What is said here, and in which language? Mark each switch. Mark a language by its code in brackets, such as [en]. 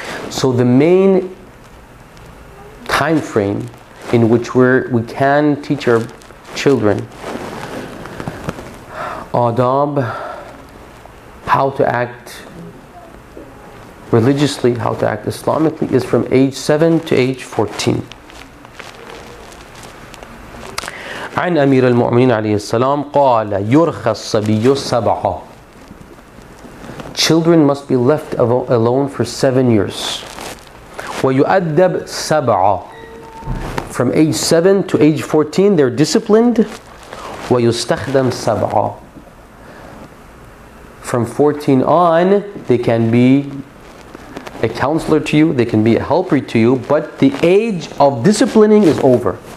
[en] So the main time frame in which we can teach our children adab, how to act religiously, how to act Islamically, is from age 7 to age 14. [ar] عن أمير المؤمنين عليه السلام قال يرخى الصبي سبعة. [en] Children must be left alone for 7 years. [ar] ويؤدب سبعة. [en] From age 7 to age 14 they're disciplined. [ar] ويستخدم سبعة. [en] From 14 on they can be a counselor to you, they can be a helper to you, but the age of disciplining is over.